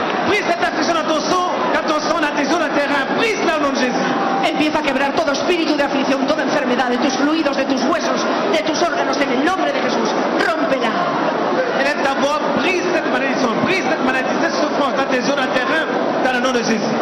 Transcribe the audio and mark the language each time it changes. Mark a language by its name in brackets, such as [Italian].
[French] Brise cette affliction à ton sang, à ton sang, à tes os, à tes reins. Brise-la au nom de Jésus. [Spanish] Empieza a quebrar todo espíritu de aflicción, toda enfermedad de tus fluidos, de tus huesos, de tus órganos en el nombre de Jesús. Rómpela. [French] Élève ta voix, brise cette malédiction, brise cette maladie, cette souffrance dans tes os, à tes reins, dans le nom de Jésus.